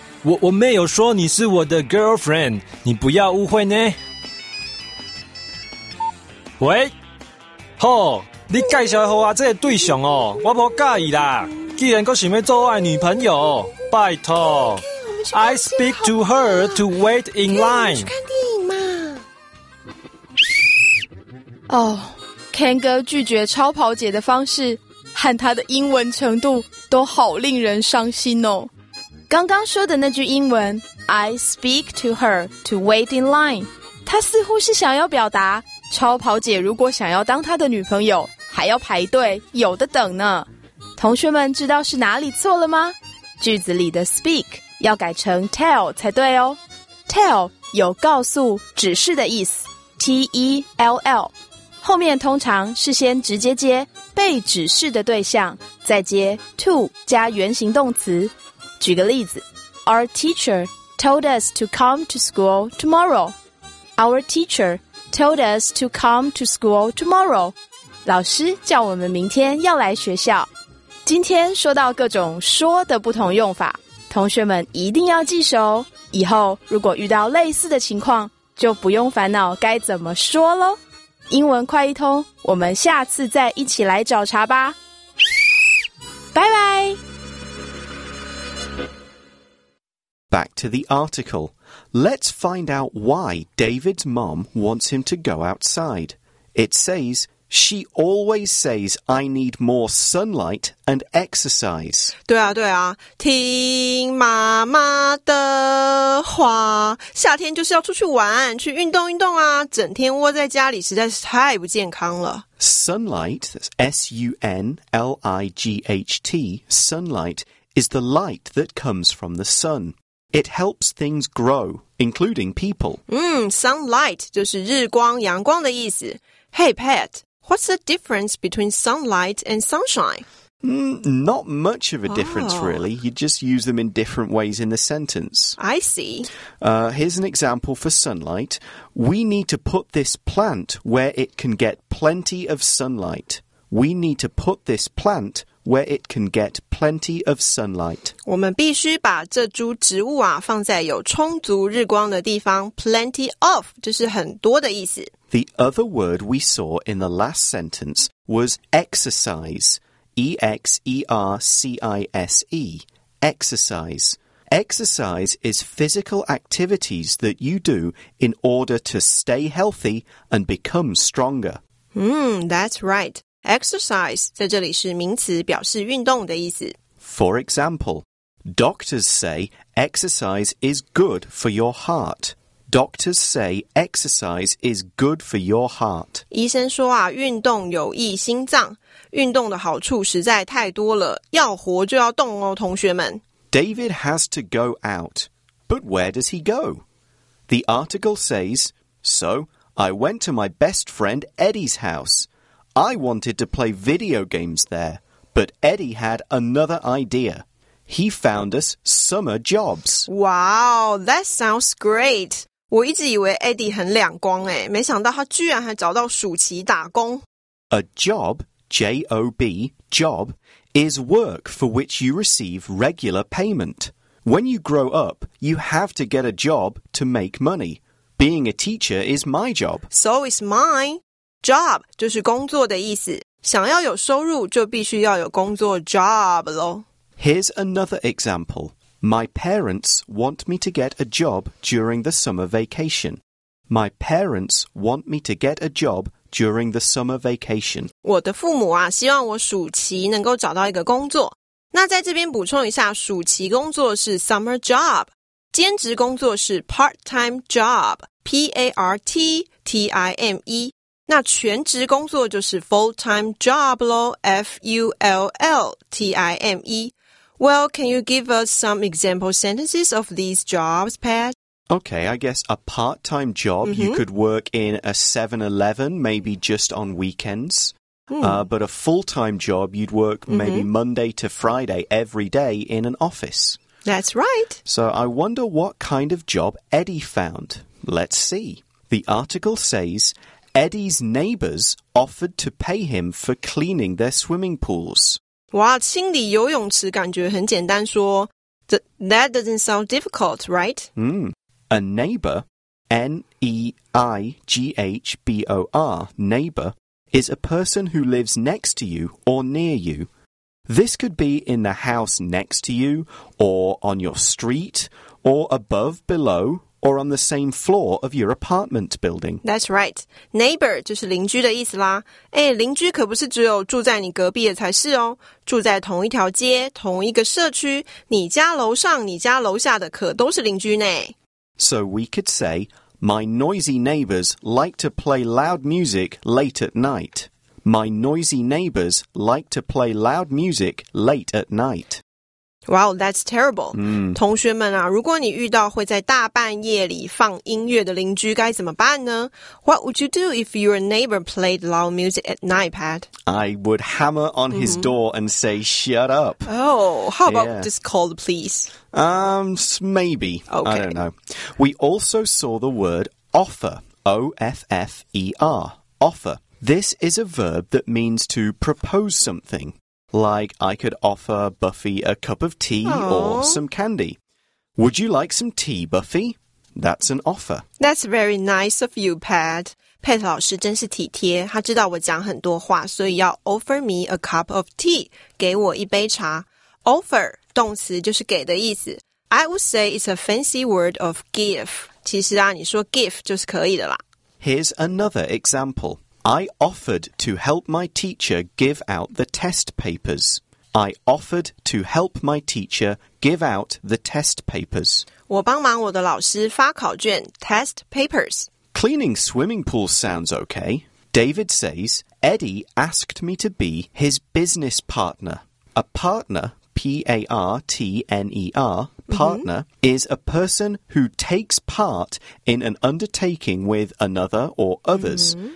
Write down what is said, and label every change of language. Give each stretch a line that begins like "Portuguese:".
Chinese: 我没有说你是我的 girlfriend, 你不要误会呢。喂，吼，你介绍好啊，这个对象哦，我不介意啦。既然阁想要做我的女朋友，拜托。
English: Okay, I speak to her to wait in line.
Chinese: 去看电影嘛。哦，Ken哥拒绝超跑姐的方式和他的英文程度都好令人伤心哦。刚刚说的那句英文
English: I speak to her to wait in line,
Chinese: 他似乎是想要表达超跑姐如果想要当他的女朋友还要排队有的等呢。同学们知道是哪里错了吗？句子里的 speak 要改成 tell 才对哦。 tell 有告诉、指示的意思， T-E-L-L, 后面通常是先直接接被指示的对象，再接 to 加原形动词。举个例子，
English: Our teacher told us to come to school tomorrow. Our teacher told us to come to school tomorrow.
Chinese: 老师叫我们明天要来学校。今天说到各种说的不同用法，同学们一定要记熟，以后如果遇到类似的情况就不用烦恼该怎么说咯。英文快一通，我们下次再一起来找茬吧。拜拜。
English: Back to the article. Let's find out why David's mom wants him to go outside. It says, she always says I need more sunlight and exercise.
Chinese: 对啊对啊，听妈妈的话，夏天就是要出去玩，去运动运动啊，整天窝在家里实在是太不健康了。
English: Sunlight, that's S-U-N-L-I-G-H-T, sunlight, is the light that comes from the sun. It helps things grow, including people.
Chinese: Sunlight 就是日光、阳光的意思。
English: Hey, Pat, what's the difference between sunlight and sunshine? Not much of a difference, really. You just use them in different ways in the sentence. I see. Here's an example for sunlight. We need to put this plant where it can get plenty of sunlight. We need to put this plant where it can get plenty of sunlight.
Chinese: 我们必须把这株植物啊放在有充足日光的地方。 Plenty of 就是很多的意思。
English: The other word we saw in the last sentence was exercise. E-X-E-R-C-I-S-E. Exercise. Exercise is physical activities that you do in order to stay healthy and become stronger. That's right.
Chinese: Exercise 在这里是名词，表示运动的意思。
English: For example, doctors say exercise is good for your heart. Doctors say exercise is good for your heart.
Chinese: 医生说啊，运动有益心脏，运动的好处实在太多了，要活就要动哦，同学们。
English: David has to go out, but where does he go? The article says, So, I went to my best friend Eddie's house. I wanted to play video games there, but Eddie had another idea. He found us summer jobs. Wow, that sounds great.
Chinese: 我一直以为 Eddie 很两光诶，没想到他居然还找到暑期打工。
English: A job, J-O-B, job, is work for which you receive regular payment. When you grow up, you have to get a job to make money. Being a teacher is my job. So is mine.
Chinese: Job 就是工作的意思，想要有收入就必须要有工作 job 咯。
English: Here's another example. My parents want me to get a job during the summer vacation. My parents want me to get a job during the summer vacation.
Chinese: 我的父母啊，希望我暑期能够找到一个工作。那在这边补充一下，暑期工作是 summer job， 兼职工作是 part-time job， P-A-R-T-T-I-M-E。那全职工作就是 full-time job 咯 F-U-L-L-T-I-M-E.
English: Well, can you give us some example sentences of these jobs, Pat? Okay, I guess a part-time job,you could work in a 7-Eleven, maybe just on weekends. But a full-time job, you'd work maybe Monday to Friday every day in an office. That's right. So I wonder what kind of job Eddie found. Let's see. The article says... Eddie's neighbors offered to pay him for cleaning their swimming pools.
Chinese: 哇，清理游泳池感觉很简单说。
English: That doesn't sound difficult, right? A neighbor, N-E-I-G-H-B-O-R, neighbor, is a person who lives next to you or near you. This could be in the house next to you, or on your street, or above, below... or on the same floor of your apartment building. That's right.
Chinese: Neighbor 就是邻居的意思啦。诶，邻居可不是只有住在你隔壁的才是哦。住在同一条街，同一个社区，你家楼上，你家楼下的可都是邻居呢。
English: So we could say, my noisy neighbors like to play loud music late at night. My noisy neighbors like to play loud music late at night. Wow, that's terrible. 同学们啊，如果你遇到会在大半夜里放音乐的邻居该怎么办呢？ What would you do if your neighbor played loud music at night, Pat? I would hammer on his door and say, shut up. Oh, how about just call the police? Maybe. Okay. I don't know. We also saw the word offer, O-F-F-E-R, offer. This is a verb that means to propose something. Like, I could offer Buffy a cup of tea or some candy. Would you like some tea, Buffy? That's an offer. That's very nice of you, Pat.
Chinese: Pat 老师真是体贴，他知道我讲很多话，所以要
English: offer me a cup of tea,
Chinese: 给我一杯茶。 Offer, 动词就是给的意思。
English: I would say it's a fancy word of give.
Chinese: 其实啊，你说 give 就是可以的啦。
English: Here's another example. I offered to help my teacher give out the test papers. I offered to help my teacher give out the test papers.
Chinese: 我帮忙我的老师发考卷 test papers.
English: Cleaning swimming pools sounds okay. David says, Eddie asked me to be his business partner. A partner, P-A-R-T-N-E-R, partner, is a person who takes part in an undertaking with another or others.